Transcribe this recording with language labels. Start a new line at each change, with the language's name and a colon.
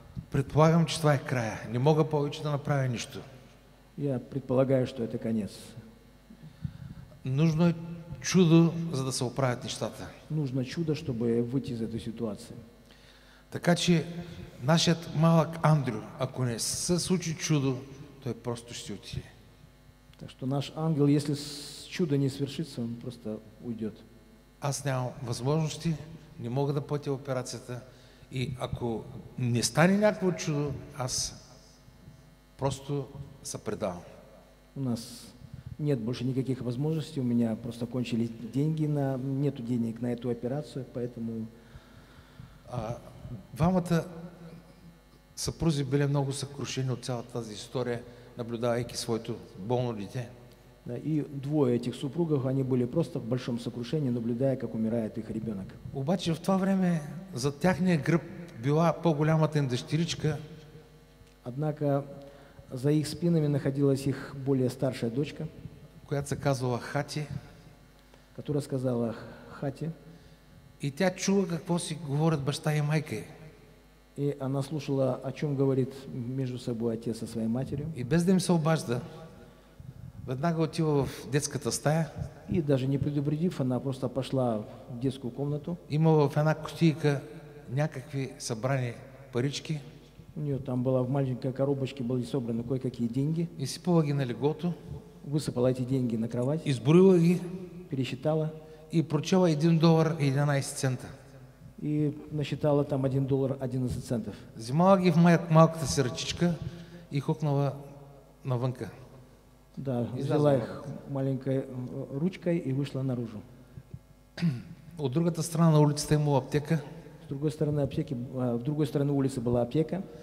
Bulgarian: Предполагам, что это край. Не могу больше да направя ничто.
Russian: Я предполагаю, что это конец. Нужно чудо,
Bulgarian: за да се оправят нещата.
Russian: Нужно чудо, чтобы выйти из этой ситуации.
Bulgarian: Така че нашият малък Андрю, ако не се случи чудо, той просто ще отиде.
Russian: Так что наш ангел, если чудо не свершится, он просто уйдет.
Bulgarian: Аз нямам възможности, не мога да платя операцията и ако не стане някакво чудо, аз просто се предавам.
Russian: У нас нет больше никаких възможностей, у меня просто кончились деньги, нету денег на эту операцию, поэтому...
Bulgarian: Двамата съпрузи били много съкрушени от цялата тази история, наблюдавайки своето болно дете.
Russian: Да, и двое этих супругов, они были просто в большом сокрушении, наблюдая, как умирает их ребенок.
Bulgarian: Обаче в това время за тяхния гръб била по-голямата им дъщеричка.
Russian: Однако за их спинами находилась их более старшая дочка,
Bulgarian: която се казвала Хати.
Russian: Которая сказала Хати.
Bulgarian: И тя чула какво си говорят баща и майка.
Russian: И она слушала, о чем говорит между собой отец со своей матерью.
Bulgarian: И без да им се обажда, веднага отива в детската стая.
Russian: И даже не предупредив, она просто пошла в детскую комнату.
Bulgarian: Има в една кутийка някакви събрани парички.
Russian: У нее там была в маленькой коробочке, были собраны кое-какие деньги.
Bulgarian: И сипала ги на легото.
Russian: Высыпала эти деньги на кровать.
Bulgarian: Изброила ги.
Russian: Пересчитала.
Bulgarian: И прочела $1.11.
Russian: И насчитала там $1.11.
Bulgarian: Взимала ги в малката си ръчичка и хукнала навънка.
Russian: Да, взяла их маленькой ручкой и вышла наружу.
Bulgarian: От другата страна на улицата имала аптека.
Russian: С другой стороны аптеки, в другой стороне улицы была аптека.